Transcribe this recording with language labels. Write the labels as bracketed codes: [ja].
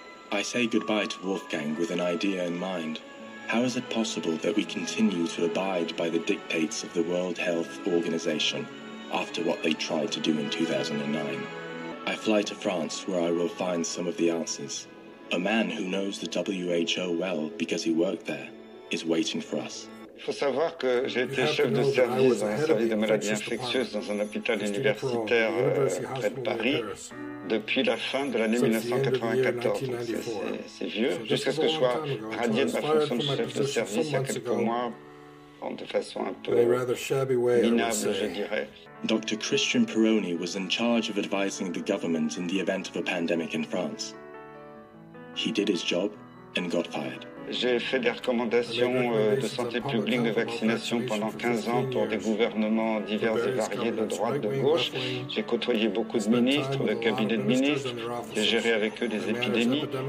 [en] I say goodbye to Wolfgang with an idea in mind. How is it possible that we continue to abide by the dictates of the World Health Organization after what they tried to do in 2009? I fly to France, where I will find some of the answers. A man who knows the WHO well because he worked there is waiting for us. [fr] Faut savoir que j'ai été chef de service dans un service de maladies infectieuses dans un hôpital universitaire près de Paris depuis la fin de l'année 1994. C'est vieux. Jusqu'à ce que je sois radié de ma fonction de chef de service il y a quelques mois, de façon un peu minable, je dirais. [en] Dr. Christian Peroni was in charge of advising the government in the event of a pandemic in France. He did his job and got fired. [fr] J'ai fait des recommandations de santé publique de vaccination pendant 15 ans pour des gouvernements divers et variés de droite, de gauche. J'ai côtoyé beaucoup de ministres, de cabinets de ministres, j'ai géré avec eux des épidémies.